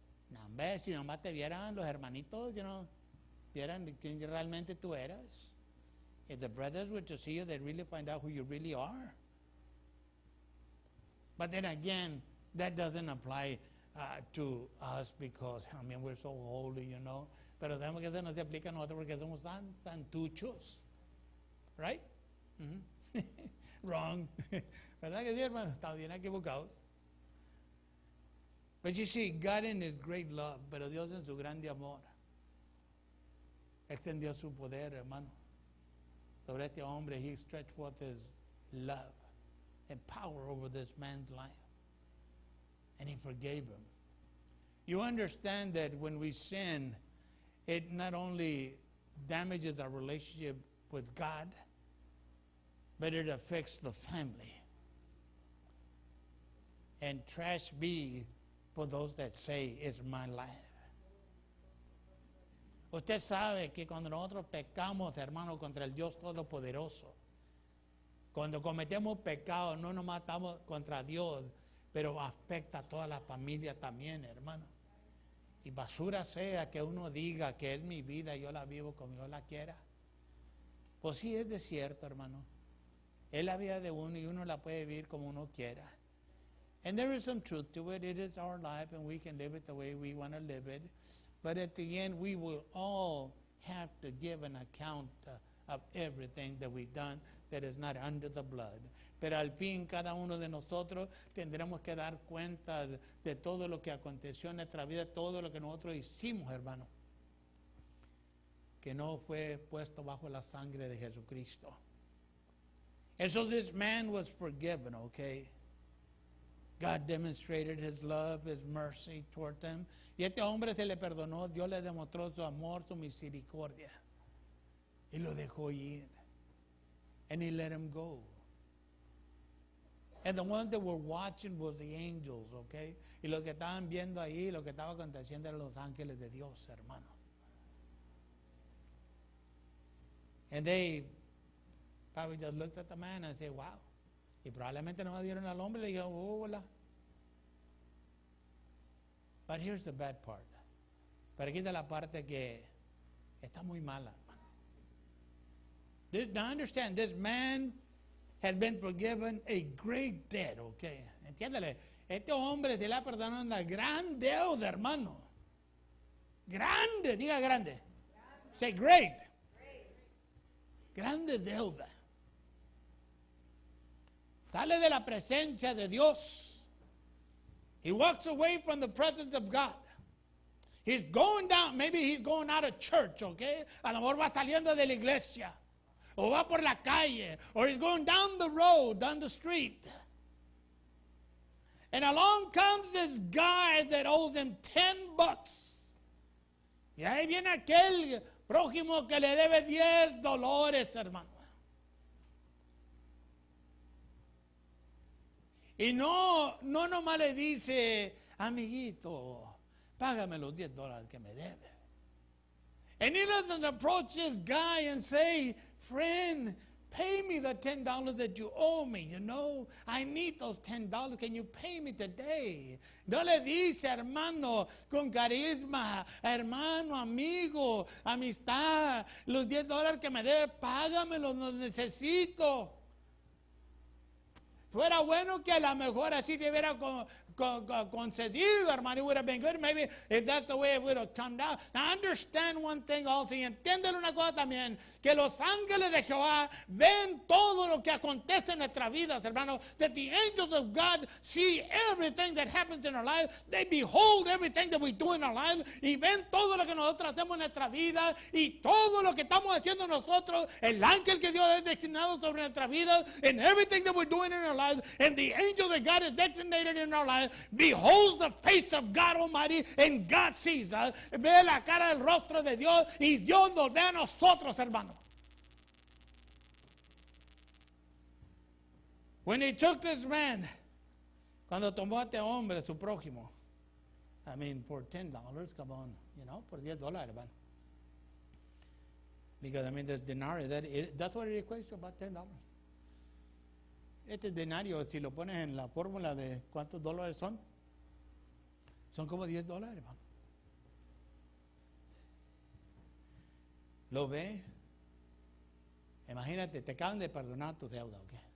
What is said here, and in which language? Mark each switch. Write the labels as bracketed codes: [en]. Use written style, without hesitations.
[es] No, hombre, si nomás te vieran los hermanitos, [en] you know, [es] vieran quién realmente tú eras. [en] If the brothers were to see you, they'd really find out who you really are. But then again, that doesn't apply to us because, I mean, we're so holy, you know. [es] Pero sabemos que eso no se aplica a nosotros porque somos santuchos. [en] Right? Mm-hmm. Wrong. [es] ¿Verdad que sí, hermano? Estamos bien equivocados. [en] But you see, God in his great love, [es] pero Dios en su grande amor, extendió su poder, hermano, sobre este hombre. [en] He stretched forth his love and power over this man's life. And he forgave him. You understand that when we sin, it not only damages our relationship with God, but it affects the family. And trash be for those that say, it's my life. [es] Usted sabe que cuando nosotros pecamos, hermano, contra el Dios Todopoderoso, cuando cometemos pecado, no nos matamos contra Dios, pero afecta a toda la familia también, hermano. Y basura sea que uno diga que es mi vida, yo la vivo como yo la quiera. Pues sí, es de cierto, hermano. Es la vida de uno y uno la puede vivir como uno quiera. [en] And there is some truth to it. It is our life and we can live it the way we want to live it. But at the end, we will all have to give an account of everything that we've done that is not under the blood. [es] Pero al fin, cada uno de nosotros tendremos que dar cuenta de todo lo que aconteció en nuestra vida, todo lo que nosotros hicimos, hermano, que no fue puesto bajo la sangre de Jesucristo. [en] And so this man was forgiven, okay? God demonstrated his love, his mercy toward them. [es] Y este hombre se le perdonó. Dios le demostró su amor, su misericordia. Y lo dejó ir. [en] And he let him go. And the ones that were watching was the angels, okay? [es] Y lo que estaban viendo ahí, lo que estaba aconteciendo eran los ángeles de Dios, hermano. [en] And they probably just looked at the man and said, wow. [es] Y probablemente no dieron al hombre y le dijeron, oh, hola. [en] But here's the bad part. [es] Pero aquí está la parte que está muy mala. [en] This, now understand, this man had been forgiven a great debt, okay? [es] Entiéndale, este hombre se le ha perdonado una gran deuda, hermano. Grande, diga grande. [en] Say great. [es] Grande deuda. Sale de la presencia de Dios. [en] He walks away from the presence of God. He's going down, maybe he's going out of church, okay? [es] A lo mejor va saliendo de la iglesia. O va por la calle, [en] or he's going down the road, down the street. And along comes this guy that owes him $10. [es] Y ahí viene aquel prójimo que le debe $10, hermano. Y no nomás le dice, amiguito, págame los $10 que me debe. [en] And he doesn't approach this guy and say, friend, pay me the $10 that you owe me. You know, I need those $10. Can you pay me today? [es] No le dice, hermano, con carisma, hermano, amigo, amistad, los $10 que me debe, págamelo, los necesito. Fuera bueno que a lo mejor así te hubiera concedido, hermano. [en] It would have been good. Maybe if that's the way it would have come down. Now understand one thing also. [es] Y entiéndelo una cosa también. Que los ángeles de Jehová ven todo lo que acontece en nuestras vidas, hermano. [en] That the angels of God see everything that happens in our life. They behold everything that we do in our life. [es] Y ven todo lo que nosotros hacemos en nuestra vida. Y todo lo que estamos haciendo nosotros. El ángel que Dios ha designado sobre nuestra vida. [en] And everything that we're doing in our lives, and the angel that God has designated in our lives beholds the face of God Almighty, and God sees us. [es] Ve la cara del rostro de Dios, y Dios nos ve a nosotros, hermano. [en] When he took this man, [es] cuando tomó a este hombre, su prójimo, [en] I mean, for $10, come on, you know, [es] por $10, hermano. [en] Because, I mean, this denarii, that's what it equates to, about $10. [es] Este denario, si lo pones en la fórmula de cuántos dólares son, son como $10, hermano. Lo ve. Imagínate, te acaban de perdonar tu deuda, ¿ok?